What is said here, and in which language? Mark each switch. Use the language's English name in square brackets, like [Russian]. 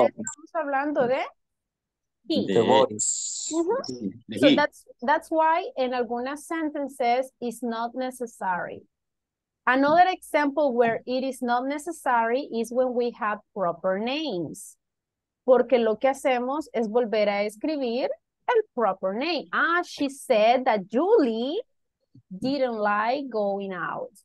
[Spanish] Ya estamos hablando de he. [English] The voice. Mm-hmm. So that's why in [Spanish] algunas [English] sentences it's not necessary. Another example where it is not necessary is when we have proper names. [Spanish] Porque lo que hacemos es volver a escribir el proper name. [English] Ah, she said that Julie didn't like going out.